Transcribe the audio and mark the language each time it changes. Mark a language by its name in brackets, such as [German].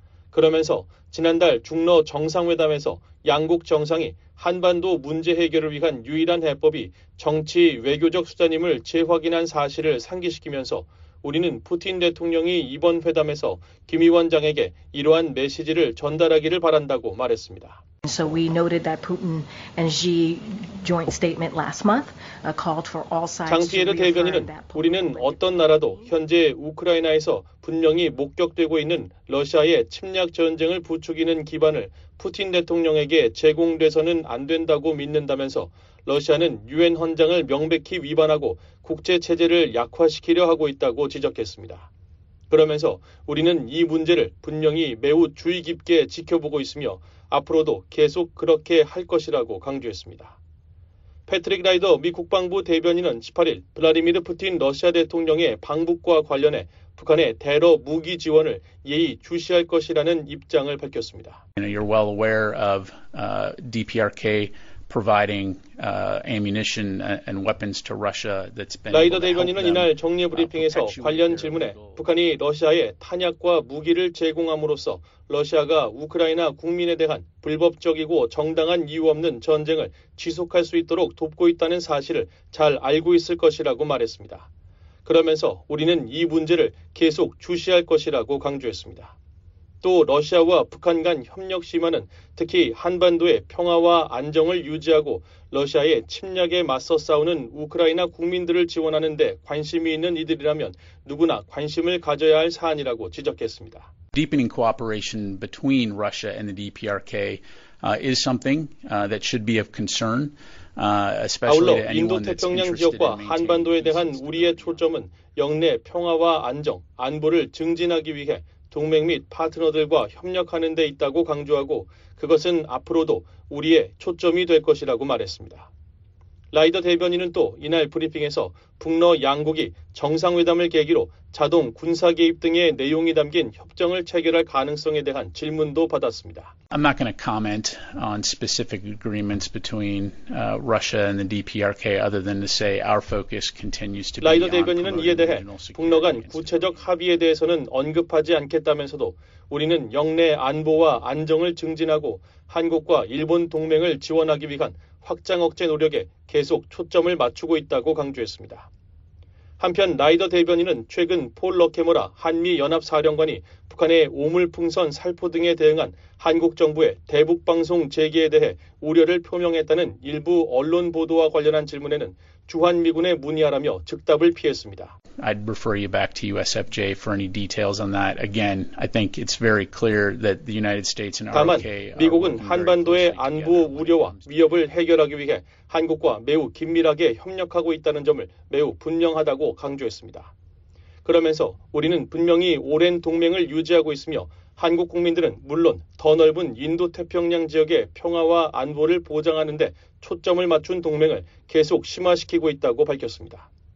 [Korean] 그러면서 지난달 중러 정상회담에서 양국 정상이 한반도 문제 해결을 위한 유일한 해법이 정치 외교적 수단임을 재확인한 사실을 상기시키면서 우리는 푸틴 대통령이 이번 회담에서 김 위원장에게 이러한 메시지를 전달하기를 바란다고 말했습니다. [English] So we noted that Putin and Xi joint statement last month called for all sides to reaffirm that. [Korean] 대변인은 우리는 어떤 나라도 현재 우크라이나에서 분명히 목격되고 있는 러시아의 침략 전쟁을 부추기는 기반을 푸틴 대통령에게 제공돼서는 안 된다고 믿는다면서 러시아는 유엔 헌장을 명백히 위반하고 국제 체제를 약화시키려 하고 있다고 지적했습니다. 그러면서 우리는 이 문제를 분명히 매우 주의 깊게 지켜보고 있으며 앞으로도 계속 그렇게 할 것이라고 강조했습니다. 패트릭 라이더 미 국방부 대변인은 18일 블라디미르 푸틴 러시아 대통령의 방북과 관련해 북한의 대러 무기 지원을 예의 주시할 것이라는 입장을 밝혔습니다. [English] You're well aware of DPRK providing ammunition and weapons to Russia that's been [Korean] 라이더 대변인은 이날 정례 브리핑에서 관련 질문에 북한이 러시아에 탄약과 무기를 제공함으로써 러시아가 우크라이나 국민에 대한 불법적이고 정당한 이유 없는 전쟁을 지속할 수 있도록 돕고 있다는 사실을 잘 알고 있을 것이라고 말했습니다. 그러면서 우리는 이 문제를 계속 주시할 것이라고 강조했습니다. 또 러시아와 북한 간 협력 심화는 특히 한반도의 평화와 안정을 유지하고 러시아의 침략에 맞서 싸우는 우크라이나 국민들을 지원하는 데 관심이 있는 이들이라면 누구나 관심을 가져야 할 사안이라고 지적했습니다. [English] Deepening cooperation between Russia and the DPRK is something that should be of concern. [Korean] 아울러 인도태평양 지역과 한반도에 대한 우리의 초점은 영내 평화와 안정, 안보를 증진하기 위해 동맹 및 파트너들과 협력하는 데 있다고 강조하고 그것은 앞으로도 우리의 초점이 될 것이라고 말했습니다. 라이더 대변인은 또 이날 브리핑에서 북러 양국이 정상회담을 계기로 자동 군사 개입 등의 내용이 담긴 협정을 체결할 가능성에 대한 질문도 받았습니다. [English] I'm not going to comment on specific agreements between Russia and the DPRK other than to say our focus continues to be [Korean] 라이더 대변인은 이에 대해 북러 간 구체적 합의에 대해서는 언급하지 않겠다면서도 우리는 영내 안보와 안정을 증진하고 한국과 일본 동맹을 지원하기 위한 확장 억제 노력에 계속 초점을 맞추고 있다고 강조했습니다. 한편 라이더 대변인은 최근 폴 러케머라 한미연합사령관이 북한의 오물풍선 살포 등에 대응한 한국 정부의 대북방송 재개에 대해 우려를 표명했다는 일부 언론 보도와 관련한 질문에는 주한미군에 문의하라며 즉답을 피했습니다. [English] I'd refer you back to USFJ for any details on that. Again, I think it's very clear that the United States and RK [Korean] 다만 미국은 한반도의 안보 우려와 위협을 해결하기 위해 한국과 매우 긴밀하게 협력하고 있다는 점을 매우 분명하다고 강조했습니다. 그러면서 우리는 분명히 오랜 동맹을 유지하고 있으며 한국 국민들은 물론 더 넓은 인도태평양 지역의 평화와 안보를 보장하는 데 초점을 맞춘 동맹을 계속 심화시키고 있다고 밝혔습니다.